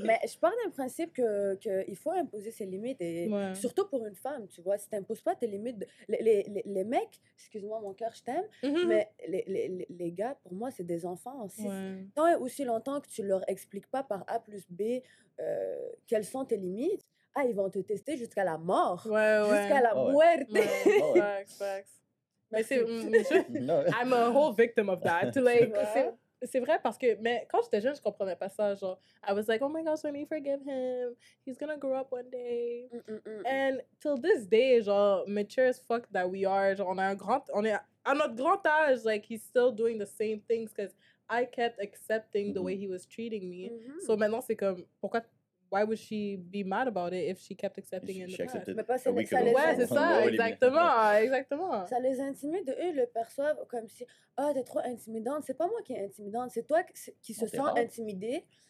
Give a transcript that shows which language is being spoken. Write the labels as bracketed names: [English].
[French] Mais je pars d'un principe que il faut imposer ses limites et surtout pour une femme, tu vois, si tu n'imposes pas tes limites, les mecs, excuse-moi mon cœur, je t'aime, mais les gars, pour moi, c'est des enfants aussi. Ouais. Tant et aussi longtemps que tu leur expliques pas par A plus B quelles sont tes limites, ah, ils vont te tester jusqu'à la mort. Ouais. Jusqu'à la muerte. Ouais. Mais c'est [English] I'm a whole victim of that. To like, [French] c'est vrai parce que mais quand j'étais jeune, je comprenais pas ça, genre [English] I was like, oh my gosh, let me forgive him. He's gonna grow up one day. Mm-mm-mm. And till this day, genre mature as fuck that we are, genre [French] on est à notre grand âge, [English] like he's still doing the same things because I kept accepting the way he was treating me. Mm-hmm. [French] So maintenant c'est comme pourquoi. [English] Why would she be mad about it if she kept accepting it in the past? [French] Mais pas c'est ça les ouais, c'est ça, exactement. Ça les intimide, eux, ils le perçoivent comme si, ah, oh, t'es trop intimidante. C'est pas moi qui est intimidante, c'est toi qui se sens intimidée.